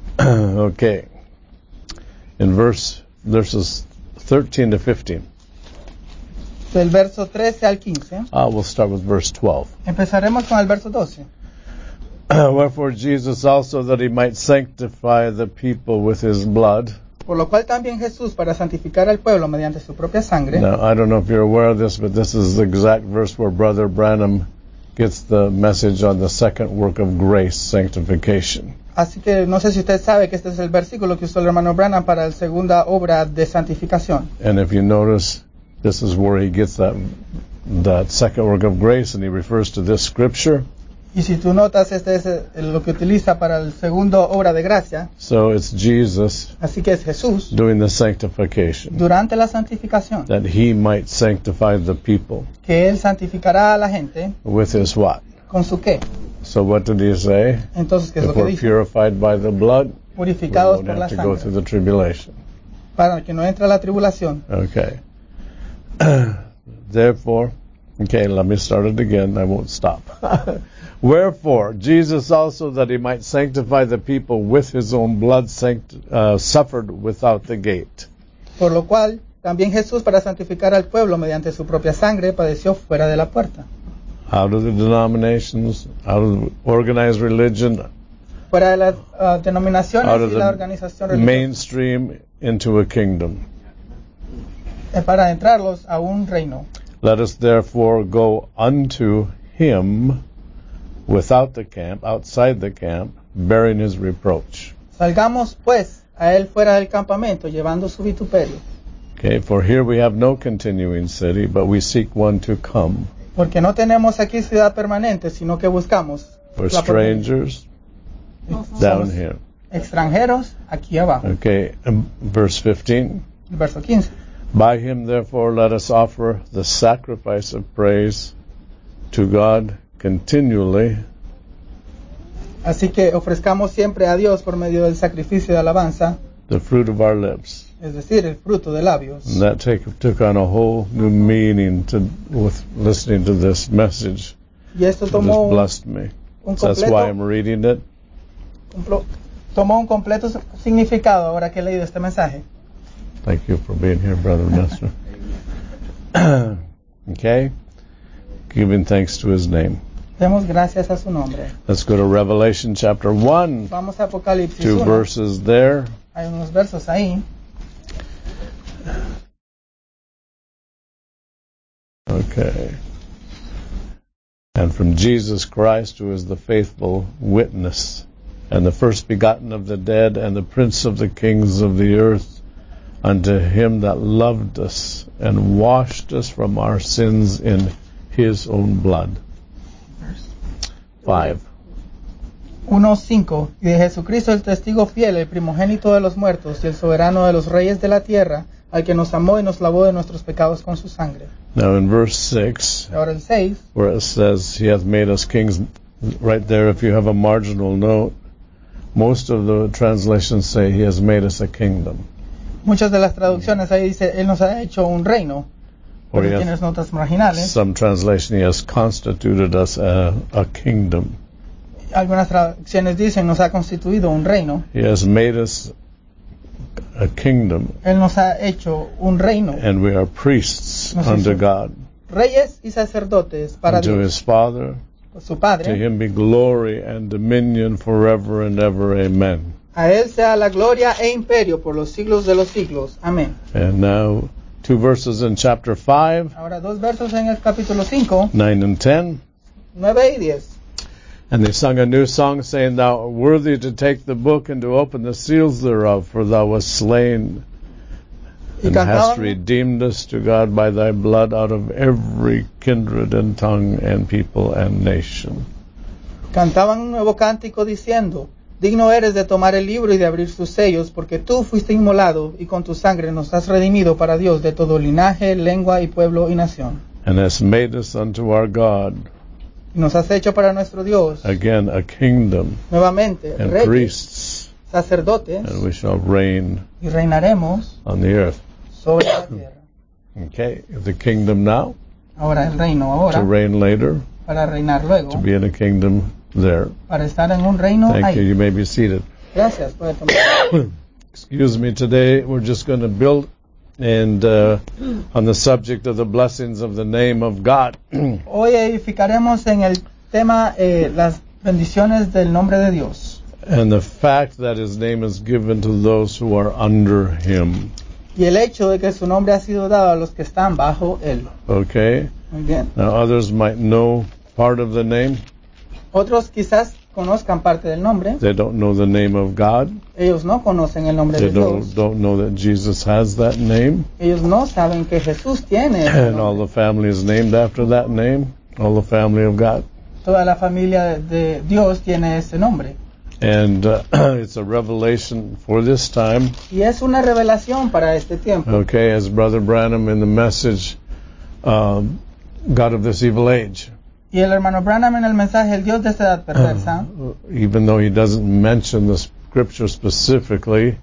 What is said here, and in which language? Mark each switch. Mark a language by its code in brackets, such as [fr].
[en] Okay. In verses 13 to 15. [es] Del verso 13 al 15. [en] We'll start with verse 12. [es] Empezaremos con el verso 12. [en] Wherefore Jesus also, that he might sanctify the people with his blood. [es] Por lo cual también Jesús, para santificar al pueblo mediante su propia sangre. [en] Now, I don't know if you're aware of this, but this is the exact verse where Brother Branham gets the message on the second work of grace, sanctification. [es] Así que no sé si usted sabe que este es el versículo que usó el hermano Branham para la segunda obra de santificación. [en] And if you notice, this is where he gets that second work of grace, and he refers to this scripture. [es] Y si tú notas, este es lo que utiliza para el segundo obra de gracia. [en] So it's Jesus. [es] Así que es Jesús. [en] Doing the sanctification. [es] Durante la santificación. [en] That he might sanctify the people. [es] Que él santificará a la gente. [en] With his what? [es] Con su qué. [en] So what did he say? [es] Entonces, ¿qué es [en] if [es] lo que [en] we're [es] dice? [en] Purified by the blood, [es] purificados [en] we won't [es] por [en] have [es] la [en] to [es] sangre. [en] Go through the tribulation. [es] Para que no entre la tribulación. [en] Okay. Therefore, okay, let me start it again. I won't stop. Wherefore, Jesus also, that he might sanctify the people with his own blood, suffered without the gate. [es] Por lo cual, también Jesús, para santificar al pueblo mediante su propia sangre, padeció fuera de la puerta. [en] Out of the denominations, out of organized religion. [es] Fuera de las denominaciones y la organización religiosa. [en] Out of the mainstream into a kingdom. [es] Para entrarlos a un reino. [en] Let us therefore go unto him. Without the camp, outside the camp, bearing his reproach. [es] Salgamos pues a él fuera del campamento, llevando su vituperio. [en] Okay, for here we have no continuing city, but we seek one to come. [es] Porque no tenemos aquí ciudad permanente, sino que buscamos. [en] For strangers, down here. [es] Extranjeros, aquí abajo. [en] Okay, verse 15. [es] Verso 15. [en] By him, therefore, let us offer the sacrifice of praise to God. Continually. [es] Así que ofrezcamos siempre a Dios por medio del sacrificio de alabanza. [en] The fruit of our lips. [es] Es decir, el fruto de labios. [en] And that took on a whole new meaning to with listening to this message. [es] Y esto tomó [en] just blessed me. [es] Completo, [en] that's why I'm reading it. [es] Tomó un completo significado ahora que he leído este mensaje. [en] Thank you for being here, brother Nestor. Okay. Giving thanks to his name. [es] Demos gracias a su nombre. [en] Let's go to Revelation chapter 1. [es] Vamos a Apocalipsis 2 1. [en] Verses there. [es] Hay unos versos ahí. [en] Okay. And from Jesus Christ, who is the faithful witness, and the first begotten of the dead, and the prince of the kings of the earth, unto him that loved us and washed us from our sins in his own blood. [es] 1:5 Y de Jesucristo, el testigo fiel, el primogénito de los muertos y el soberano de los reyes de la tierra, al que nos amó y nos lavó de nuestros pecados con su sangre. [en] Now in verse 6. [es] Ahora el 6. [en] Where it says he hath made us kings, right there if you have a marginal note, most of the translations say he has made us a kingdom. [es] Muchas de las traducciones ahí dice él nos ha hecho un reino. [en] Or [es] notas [en] some translation, he has constituted us a kingdom. [es] Algunas traducciones dicen, nos ha constituido un reino. [en] He has made us a kingdom. [es] Él nos ha hecho un reino. [en] And we are priests unto God. [es] Reyes y sacerdotes para [en] unto [es] Dios. [en] His Father. [es] su padre. [en] To him be glory and dominion forever and ever. Amen. [es] A él sea la gloria e imperio por los siglos de los siglos. Amén. [en] And now, two verses in chapter 5. [es] Ahora dos versos en el capítulo 5. [en] 9 and 10. [es] 9 y 10. [en] And they sung a new song, saying, Thou art worthy to take the book and to open the seals thereof, for thou wast slain and hast redeemed us to God by thy blood out of every kindred and tongue and people and nation. [es] Cantaban un nuevo cántico diciendo, Digno eres de tomar el libro y de abrir sus sellos, porque tú fuiste inmolado y con tu sangre nos has redimido para Dios de todo linaje, lengua y pueblo y nación. [en] And hast made us unto our God. [es] Nos has hecho para nuestro Dios. [en] Again, a kingdom. [es] Nuevamente, [en] and [es] reyes, [en] priests. [es] Sacerdotes. [en] And we shall reign. [es] Y reinaremos. [en] On the earth. [es] Sobre la tierra. [en] Okay, the kingdom now. [es] Ahora el reino ahora. [en] To reign later. [es] Para reinar luego. [en] To be in a kingdom there. [es] Para estar en un reino [en] Thank [es] ahí. [en] Thank you. You may be seated. [es] Gracias. Puede tomar. [en] Excuse me. Today we're just going to build. And on the subject of the blessings of the name of God. [es] Hoy edificaremos en el tema las bendiciones del nombre de Dios. [en] And the fact that his name is given to those who are under him. [es] Y el hecho de que su nombre ha sido dado a los que están bajo él. [en] Okay. [es] Muy bien. [en] Now others might know part of the name. [es] Otros quizás conozcan parte del nombre. [en] They don't know the name of God. [es] Ellos no conocen el nombre [en] they [es] de Dios. [en] They don't know that Jesus has that name. [es] Ellos no saben que Jesús tiene el nombre. [en] And all the family is named after that name. All the family of God. [es] Toda la familia de Dios tiene ese nombre. [en] And it's a revelation for this time. [es] Y es una revelación para este tiempo. [en] Okay, as Brother Branham in the message, God of this evil age. [es] Y el hermano Branham en el mensaje, el Dios de esta edad perversa. [en] Even though he doesn't mention the scripture specifically.